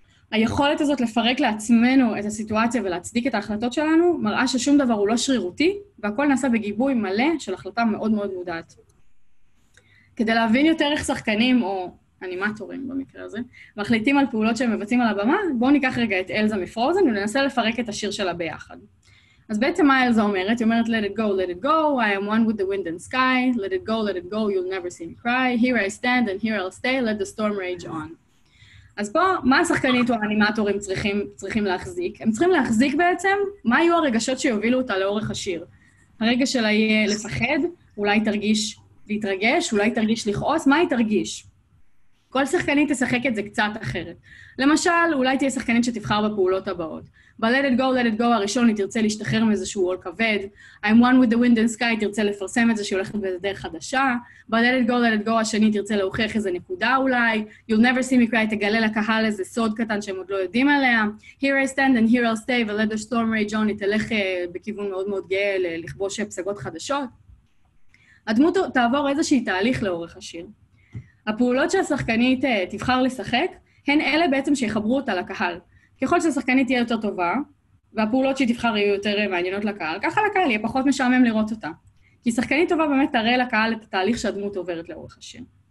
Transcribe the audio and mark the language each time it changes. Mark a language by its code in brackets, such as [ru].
[he] היכולת הזאת לפרק לעצמנו את הסיטואציה ולהצדיק את ההחלטות שלנו, מראה ששום דבר הוא לא שרירותי, והכל נעשה בגיבוי מלא של החלטה מאוד מאוד מודעת. כדי להבין יותר איך שחקנים, או אנימטורים במקרה הזה, מחליטים על פעולות שהם מבצעים על הבמה, בואו ניקח רגע את אלזה מפרוזן וננסה לפרק את השיר שלה ביחד. אז בעצם מה אלזה אומרת? היא אומרת, [en] let it go, let it go, I am one with the wind and sky, let it go, you'll never see me cry, here I stand and here I'll stay, let the storm rage on. [he] אז פה, מה השחקנית או האנימטורים צריכים להחזיק? הם צריכים להחזיק בעצם מה היו הרגשות שיובילו אותה לאורך השיר. הרגע שלה יהיה לפחד, אולי תרגיש להתרגש, אולי תרגיש לכעוס, מה היא תרגיש? כל שחקנית תשחק את זה קצת אחרת. למשל, אולי תהיה שחקנית שתבחר בפעולות הבאות. ב- [en] Let it go, let it go [he] הראשון, היא תרצה להשתחרר מאיזשהו עול כבד. [en] I'm one with the wind and sky, [he] היא תרצה לפרסם את זה שהיא הולכת באיזו דרך חדשה. ב- [en] Let it go, let it go [he] השני, היא תרצה להוכיח איזו נקודה אולי. [en] You'll never see me cry, [he] תגלה לקהל איזה סוד קטן שהם עוד לא יודעים עליה. [en] Here I stand and here I'll stay, ו-Let the storm rage on, [he] היא תלך בכיוון מאוד מאוד גאה לכבוש פסגות חדשות. הדמות תעבור איזושהי תהליך לאורך השיר. הפעולות שהשחקנית תבחר לשחק, הן אלה בעצם שיחברו אותה לקהל. ככל שהשחקנית תהיה יותר טובה, והפעולות שהיא תבחר יהיו יותר מעניינות לקהל, ככה לקהל יהיה פחות משעמם לראות אותה. כי שחקנית טובה באמת תראה לקהל את התהליך שהדמות עוברת לאורך השיר.